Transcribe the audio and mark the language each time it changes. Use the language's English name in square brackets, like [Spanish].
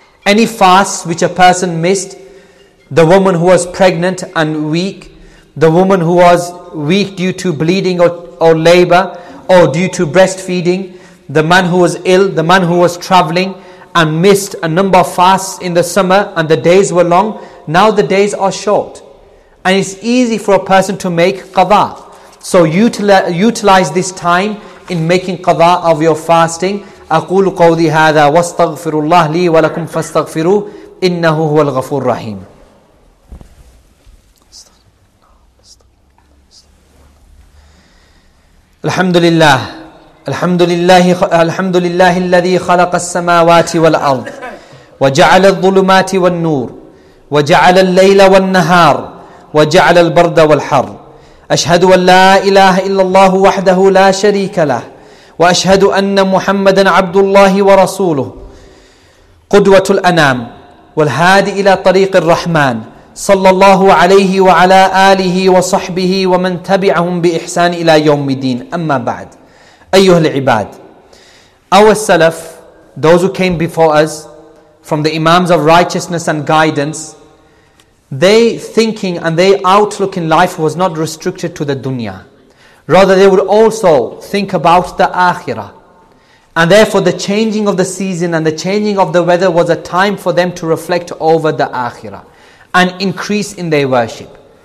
[English] Any fasts which a person missed, the woman who was pregnant and weak, the woman who was weak due to bleeding or labor or due to breastfeeding, the man who was ill, the man who was traveling and missed a number of fasts in the summer and the days were long, now the days are short. And it's easy for a person to make qadha. So utilize this time in making qadha of your fasting. [Arabic] أقول قولي هذا واستغفر الله لي ولكم فاستغفروه إنه هو الغفور الرحيم. الحمد لله الحمد لله الحمد لله الذي خلق السماوات والأرض وجعل الظلمات والنور وجعل الليل والنهار وجعل البرد والحر. أشهد أن لا إله إلا الله وحده لا شريك له وأشهد أن محمدا عبد الله ورسوله قدوة الأنام والهادي إلى طريق الرحمن صلى الله عليه وعلى آله وصحبه ومن تبعهم بإحسان إلى يوم الدين. أما بعد, أيها العباد, [English] our salaf, those who came before us from the imams of righteousness and guidance, they thinking and their outlook in life was not restricted to the dunya. Rather, they would also think about the akhirah. And therefore, the changing of the season and the changing of the weather was a time for them to reflect over the akhirah and increase in their worship.